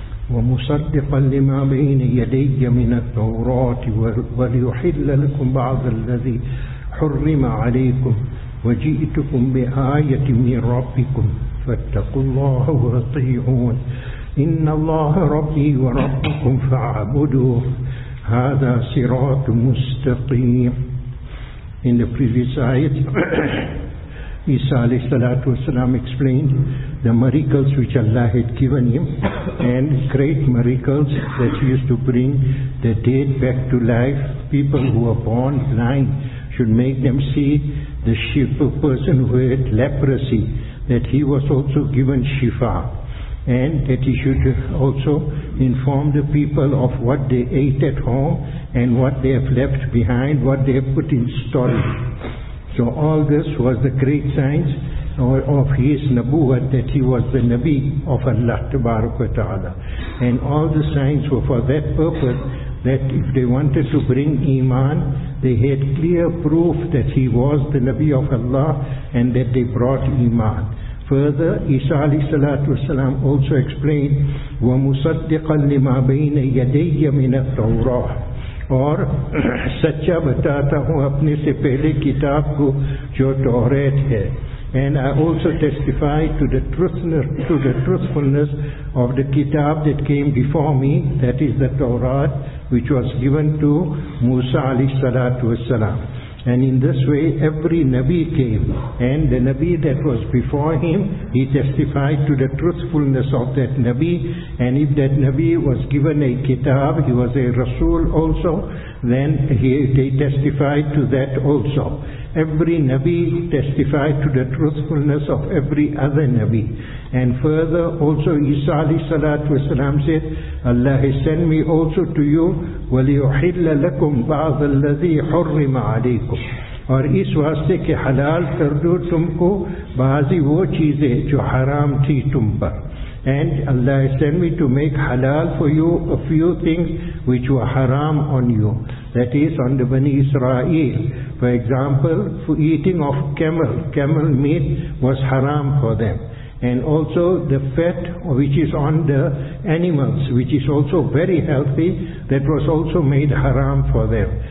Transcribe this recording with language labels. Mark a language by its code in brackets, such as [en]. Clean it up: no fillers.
[ar] ومصدقا لما بين يدي من التوراة وليحل لكم بعض الذي حرم عليكم وجئتكم بآية من ربكم فاتقوا الله واطيعون. إن الله ربي وربكم فاعبدوه هذا صراط مستقيم. [en] In the previous ayat, Isa alayhi salatu wasalam explained the miracles which Allah had given him and great miracles that he used to bring the dead back to life. People who were born blind should make them see. The shifa person who had leprosy, that he was also given shifa, and that he should also inform the people of what they ate at home and what they have left behind, what they have put in storage. So all this was the great signs of his nabuwat, that he was the Nabi of Allah tabaraka wa ta'ala. And all the signs were for that purpose, that if they wanted to bring iman, they had clear proof that he was the Nabi of Allah and that they brought iman. Further, Isa alayhi salatu wasalam also explained, [ar] وَمُصَدِّقًا لِمَا بَيْنَ يَدَيَّ مِنَ التَّوْرَاةِ, [ur] اور سچا بتاتا ہوں اپنے سے پہلے کتاب کو جو تورات ہے. [en] And I also testify to the truthfulness of the kitab that came before me, that is the Torah, which was given to Musa alayhi salatu wasalam. And in this way, every Nabi came, and the Nabi that was before him, he testified to the truthfulness of that Nabi. And if that Nabi was given a kitab, he was a Rasul also, then they testified to that also. Every Nabi testified to the truthfulness of every other Nabi. And further also, Isa alayhi salatu wasalam said, Allah has sent me also to you, [ar] وَلِيُحِلَّ لَكُمْ بَعْضَ الَّذِي حُرِّمَ عَلَيْكُمْ, [ur] اور اس واسطے کہ حلال کر دو تم کو بعضی وہ چیزیں جو حرام تھی تم پر. [en] And Allah has sent me to make halal for you a few things which were haram on you. That is on the Bani Israel. For example, for eating of camel meat was haram for them. And also the fat which is on the animals, which is also very healthy, that was also made haram for them.